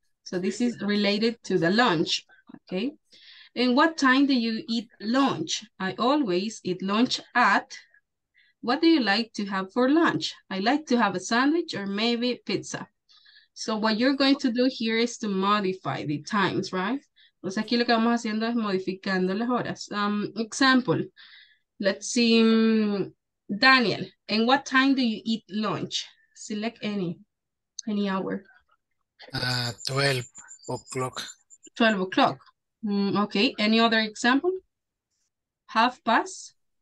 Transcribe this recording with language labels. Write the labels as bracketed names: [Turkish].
[English] So this is related to the lunch, okay? And what time do you eat lunch? I always eat lunch at, what do you like to have for lunch? I like to have a sandwich or maybe pizza. So what you're going to do here is to modify the times, right? [Spanish] O sea, aquí lo que vamos haciendo es modificando las horas. [English] Example, let's see, Daniel, and what time do you eat lunch? Select any hour. 12 o'clock. 12 o'clock, okay. Any other example? Half past